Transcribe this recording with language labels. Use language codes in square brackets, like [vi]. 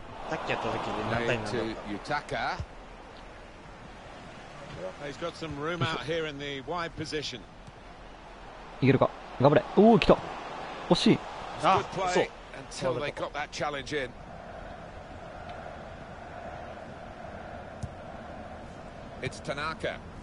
[ja] さっきやった時に何対何だったか。 [en] He's got some room out here in the wide position. [ja] いけるか、頑張れ。おお、来た。惜しい。あ、そう。 [en] Until they got that challenge in. It's Tanaka.